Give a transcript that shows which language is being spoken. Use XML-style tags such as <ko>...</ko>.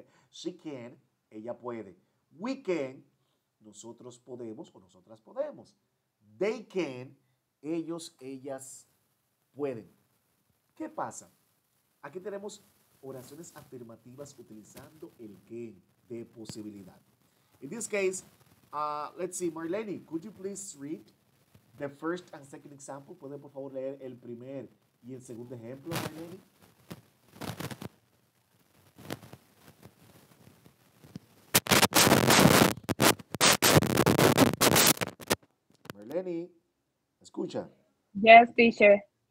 <en>She can,</en> <es>ella puede.</es> <en>We can,</en> <es>nosotros podemos o nosotras podemos.</es> <en>They can,</en> <es>ellos, ellas pueden. ¿Qué pasa? Aquí tenemos oraciones afirmativas utilizando el can de posibilidad.</es> <en>In this case, let's see, Marlene, could you please read the first and second example?</en> <es>¿Puede por favor leer el primer y el segundo ejemplo, Marlene? Marlene, escucha.</es> <en>Yes, teacher.</en>